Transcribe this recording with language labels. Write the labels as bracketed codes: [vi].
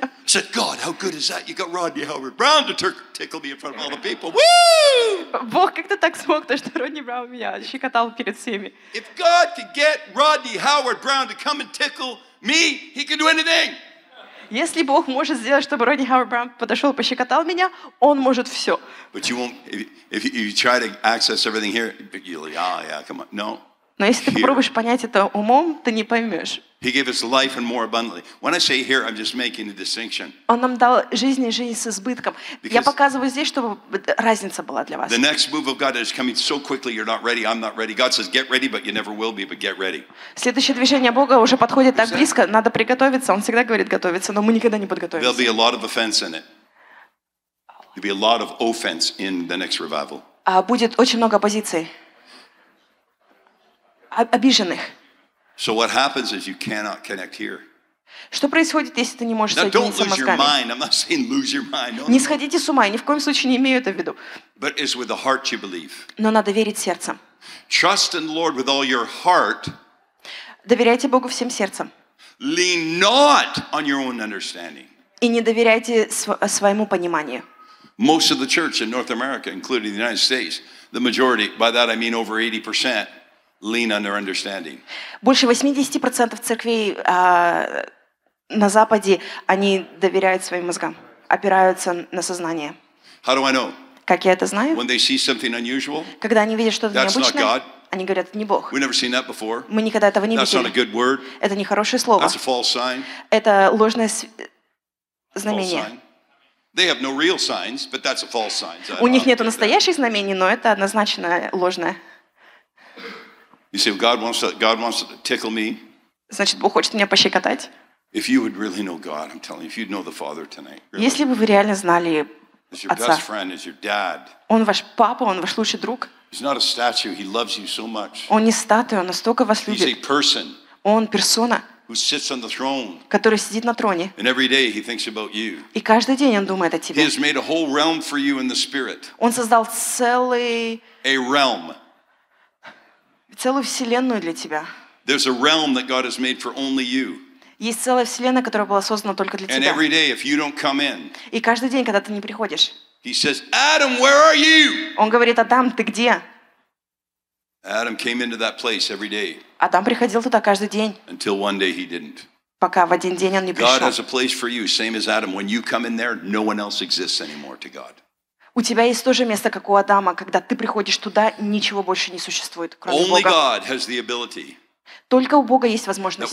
[en] I said, God, how good is that? You got Rodney Howard Brown to tickle me in front of all the people. Woo! [ru] Бог как-то так смог, то что Родни Браун меня щекотал перед всеми. [en] If God could get Rodney Howard Brown to come and tickle me, he could do anything. [ru] Если Бог может сделать, чтобы Родни Howard Brown подошел и пощекотал меня, он может все. [en] But you won't, if you try to access everything here, you'll be, oh yeah, come on, no. [ru] Но если ты попробуешь понять это умом, ты не поймешь. [en] He gave us life and more abundantly. When I say here, I'm just making a distinction. [ru] Он нам дал жизнь и жизнь с избытком. Я показываю здесь, чтобы разница была для вас. [en] The next move of God is coming so quickly, you're not ready, I'm not ready. God says, get ready, but you never will be, but get ready. [ru] Следующее движение Бога уже подходит так близко, надо приготовиться. Он всегда говорит готовиться, но мы никогда не подготовимся. [en] There'll be a lot of offense in it. There'll be a lot of offense in the next revival. [ru] Будет очень много оппозиции. Обиженных. [en] So what happens is you cannot connect here. [ru] Что происходит, если ты не можешь сойти с ума с камень? [en] Now, don't lose your mind. I'm not saying lose your mind. [ru] Не сходите с ума, ни в коем случае не имею это в виду. [en] But it's with the heart you believe. [ru] Но надо верить сердцем. [en] Trust in the Lord with all your heart. [ru] Доверяйте Богу всем сердцем. [en] Lean not on your own understanding. [ru] И не доверяйте своему пониманию. [en] Most of the church in North America, including the United States, the majority, by that I mean over 80%, lean on their understanding. [ru] Больше 80% церквей на Западе, они доверяют своим мозгам, опираются на сознание. [en] How do I know? [ru] Как я это знаю? [en] When they see something unusual, [ru] когда они видят что-то [en] that's [ru] необычное, [en] not God. [ru] Они говорят, это не Бог. [en] We've never seen that before. [ru] Мы никогда этого не [en] that's [ru] видели. [en] Not a good word. [ru] Это не хорошее слово. [en] That's a false sign. [ru] Это ложное знамение. [en] They have no real signs, but that's a false sign. [ru] У них нет настоящих знамений, но это однозначно ложное. [en] You say, well, God wants to tickle me. [ru] Значит, Бог хочет меня пощекотать? [en] If you would really know God, I'm telling you, if you'd know the Father tonight. Really, [ru] если бы вы реально знали Отца. [en] Your best friend, is your dad. [ru] Он ваш папа, он ваш лучший друг. [en] He's not a statue. He loves you so much. [ru] Он не статуя, он настолько вас любит. [en] He's a person. [ru] Он персона. [en] Who sits on the throne? [ru] Который сидит на троне. [en] And every day he thinks about you. [ru] И каждый день он думает о тебе. [en] He has made a whole realm for you in the spirit. [ru] Он создал целый. [en] A realm. [ru] Целую вселенную для тебя. [en] There's a realm that God has made for only you. [ru] Есть целая вселенная, которая была создана только для [en] and [ru] тебя. [en] And every day, if you don't come in. [ru] И каждый день, когда ты не приходишь. [en] He says, Adam, where are you? [ru] Он говорит, Адам, ты где? [en] Adam came into that place every day. [ru] Адам приходил туда каждый день. [en] Until one day he didn't. [ru] Пока в один день он не пришел. [en] God has a place for you, same as Adam. When you come in there, no one else exists anymore to God. [ru] У тебя есть то же место, как у Адама, когда ты приходишь туда, ничего больше не существует, кроме [en] Only [ru] Бога. [en] God has the ability. [ru] Только у Бога есть возможность.